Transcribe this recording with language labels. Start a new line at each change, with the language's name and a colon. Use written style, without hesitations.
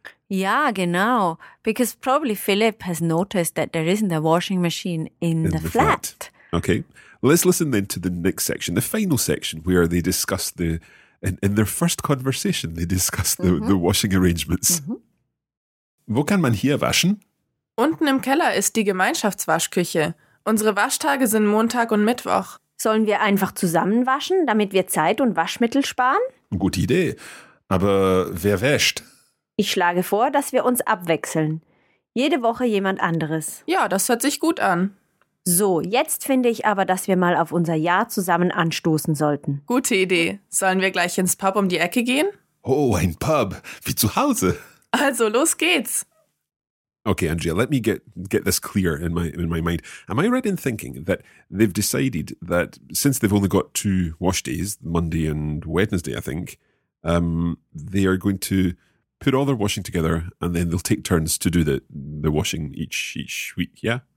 German: Ja, genau.
English: Because probably Philipp has noticed that there isn't a washing machine in the flat. Okay, let's listen then to the next section, the final section, where they discuss in their first conversation, they discuss the, mm-hmm. the washing arrangements. Mm-hmm.
German: Wo kann man hier waschen? Unten im Keller ist die Gemeinschaftswaschküche. Unsere Waschtage sind Montag und Mittwoch. Sollen wir einfach zusammen waschen, damit wir Zeit und Waschmittel sparen? Gute Idee, aber wer wäscht? Ich schlage vor, dass wir uns abwechseln. Jede Woche jemand anderes. Ja, das hört sich gut an. So, jetzt finde ich aber, dass wir mal auf unser Jahr zusammen anstoßen sollten. Gute Idee. Sollen wir gleich ins Pub um die Ecke gehen? Oh, ein Pub. Wie zu Hause. Also, los geht's.
English: Okay, Andrea, let me get this clear in my mind. Am I right in thinking that they've decided that since they've only got two wash days, Monday and Wednesday, I think, they are going to put all their washing together and then they'll take turns to do the washing each week, yeah?